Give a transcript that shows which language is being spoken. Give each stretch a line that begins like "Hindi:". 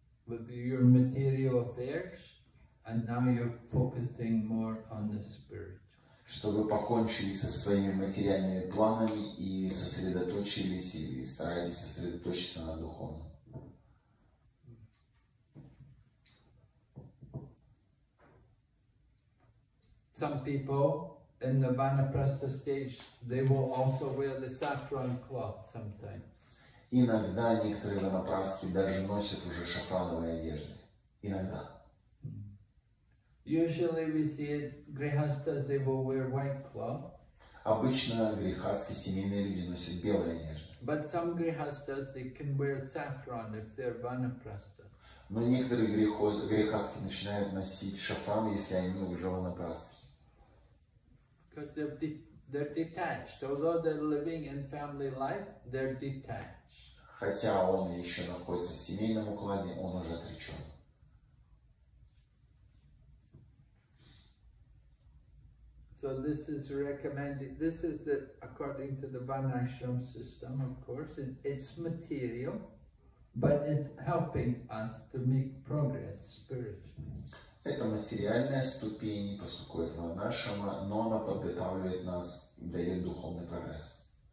English: with your material affairs, and now you're focusing more on the spiritual.
Russian: Чтобы покончили со своими материальными планами и сосредоточились или старались сосредоточиться на духовном.
English: Some people in the vanaprastha stage, they will also wear the saffron cloth sometimes.
Russian: Иногда некоторые ванапрастхи даже носят уже шафрановые одежды. Иногда.
English: Usually we see grihasthas, they will wear white cloth.
Russian: Обычно грихасхи, семейные люди, носят белые одежды.
English: But some grihasthas, they can wear saffron if they're vanaprastha.
Russian: Но некоторые грихасхи начинают носить шафран, если они уже ванапрастхи.
English: Because they're detached. Although they're living in family life, they're detached.
Russian: Хотя он еще находится в семейном укладе, он уже отречен.
English: So this is recommended. This is the according to the Vanashram system, of course, and it's material, but it's helping us to make progress spiritually.
Russian: Это материальная ступень, поскольку это Ванашрама, но она подготавливает нас, дает духовный прогресс.